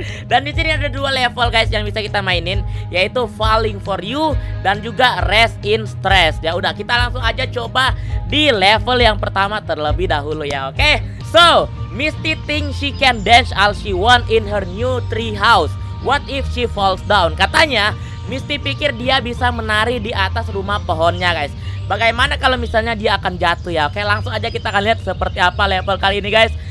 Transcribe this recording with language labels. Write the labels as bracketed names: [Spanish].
[Indonesian] Dan di sini ada dua level guys yang bisa kita mainin yaitu Falling for You dan juga Rest in Stress. Ya udah kita langsung aja coba di level yang pertama terlebih dahulu ya. Oke. [English] So, Misty thinks she can dance all she want in her new tree house. What if she falls down? [Indonesian] Katanya Misty pikir dia bisa menari di atas rumah pohonnya guys. Bagaimana kalau misalnya dia akan jatuh ya? Oke, langsung aja kita akan lihat seperti apa level kali ini guys.